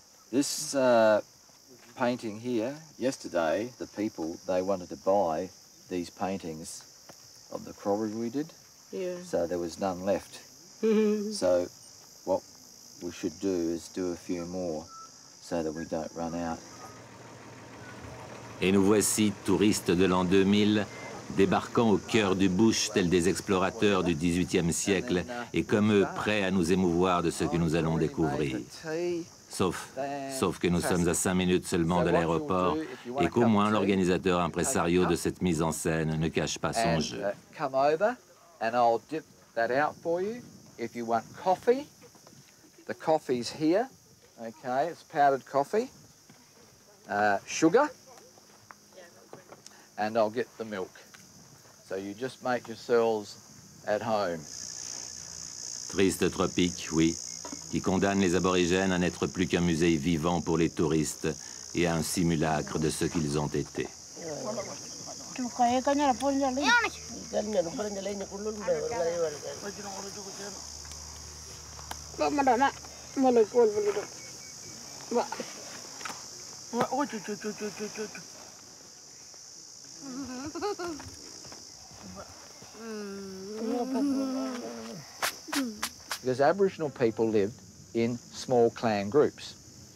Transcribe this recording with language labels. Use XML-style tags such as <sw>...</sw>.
<en>This painting here, yesterday, the people, they wanted to buy these paintings of the crawl we did. Yeah. So there was none left. So what we should do is do a few more so that we don't run out.</en> <fr>Et nous voici, touristes de l'an 2000, débarquant au cœur du bush, tels des explorateurs du 18e siècle, et comme eux, prêts à nous émouvoir de ce que nous allons découvrir. Sauf que nous sommes à 5 minutes seulement de l'aéroport, et qu'au moins l'organisateur impresario de cette mise en scène ne cache pas son jeu.</fr> <en>Come over, and I'll dip that out for you. If you want coffee, the coffee's here. Okay, it's powdered coffee. Sugar. And I'll get the milk. So you just make yourselves at home.</en> <fr>Triste tropique, oui, qui condamne les aborigènes à n'être plus qu'un musée vivant pour les touristes et à un simulacre de ce qu'ils ont été.</fr> <en>Because Aboriginal people lived in small clan groups.</en>